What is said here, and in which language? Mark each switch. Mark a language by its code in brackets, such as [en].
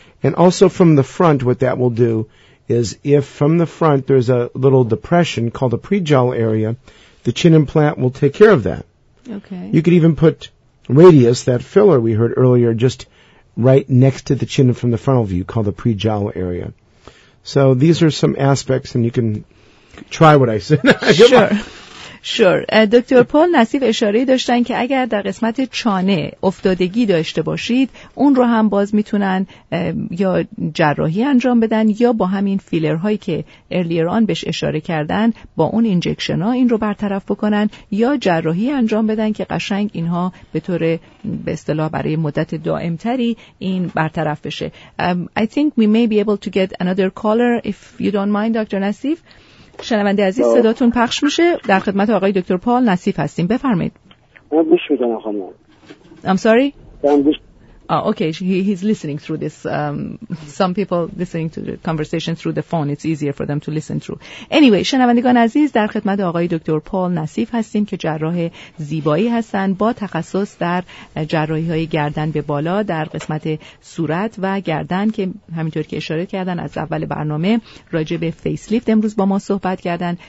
[en] And also from the front, what that will do is if from the front there's a little depression called a pre-jowl area, the chin implant will take care of that. Okay. You could even put radius, that filler we heard earlier, just right next to the chin from the frontal view called the pre-jowl area. So these are some aspects, and you can try what I said. Sure. Sure. [fa] دکتر پول نصیف اشاره داشتن که اگر در قسمت چانه افتادگی داشته باشید اون رو هم باز میتونن یا جراحی انجام بدن یا با همین فیلرهایی که ارلیر آن بهش اشاره کردن با اون اینجکشن ها این رو برطرف بکنن یا جراحی انجام بدن که قشنگ اینها به طور به اصطلاح برای مدت دائم تری این برطرف بشه. [en] I think we may be able to get another caller if you don't mind, Dr. Nassif. [fa] شنونده عزیز صداتون پخش میشه. در خدمت آقای دکتر پال نصیف هستیم. بفرمایید. گوش میدم خانم. [en] I'm sorry. Okay, he's listening through this. Some people listening to the conversation through the phone. It's easier for them to listen through. Anyway, [fa] شنوندگان عزیز در خدمت آقای دکتر پال نصیف هستیم که جراح زیبایی هستند با تخصص در جراحی های گردن به بالا در قسمت صورت و گردن که همینطور که اشاره کردن از اول برنامه راجع به فیسلیفت امروز با ما صحبت کردن.